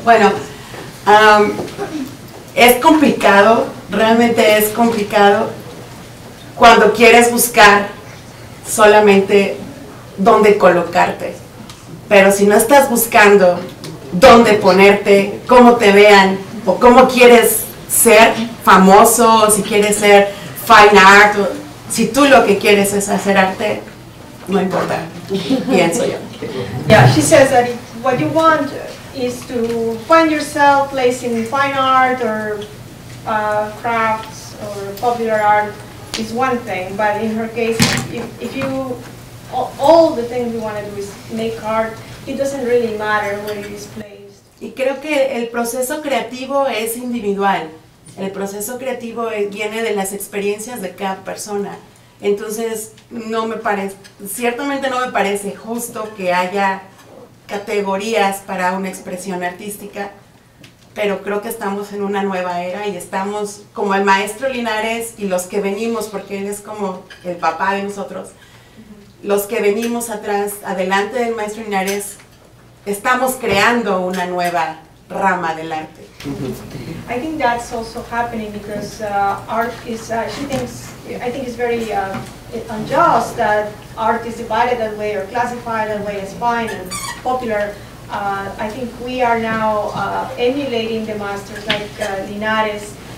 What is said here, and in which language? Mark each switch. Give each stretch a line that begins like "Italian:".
Spanish: Bueno, es complicado, realmente es complicado cuando quieres buscar solamente dónde colocarte. Pero si no estás buscando dónde ponerte, cómo te vean, o cómo quieres ser famoso, o si quieres ser fine art, o si tú lo que quieres es hacer arte, no importa, pienso yo.
English: Yeah, she says that what you want is to find yourself place in fine art or crafts or popular art is one thing, but in her case, if you all the things you want to do is make art, it doesn't really matter where it is placed.
Spanish: Y creo que el proceso creativo es individual. El proceso creativo viene de las experiencias de cada persona. Entonces, no me parece justo que haya categorías para una expresión artística, pero creo que estamos en una nueva era y estamos, como el maestro Linares y los que venimos, porque él es como el papá de nosotros, los que venimos atrás, adelante del maestro Linares, estamos creando una nueva rama del arte.
English: I think that's also happening because art is, she thinks, I think it's very unjust that art is divided that way or classified that way as fine and popular. I think we are now emulating the masters like Linares.